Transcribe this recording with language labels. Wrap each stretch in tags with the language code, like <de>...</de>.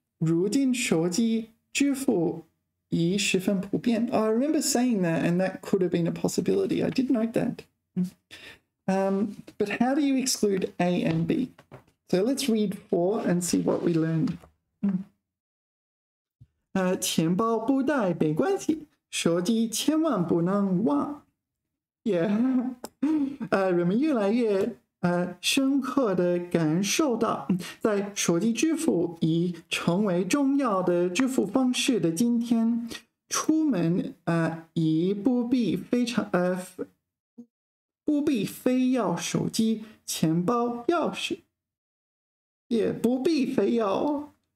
<zh>如今手机支付已十分普遍。</zh> <en>I remember saying that, and that could have been a possibility. I did note that. But how do you exclude A and B? So let's read 4 and see what we learned.</en> <zh>钱包不带没关系，手机千万不能忘。 Yeah， 人们越来越深刻的感受到，在手机支付已成为重要的支付方式的今天，出门已不必非常不必非要手机、钱包、钥匙，也不必非要。</zh>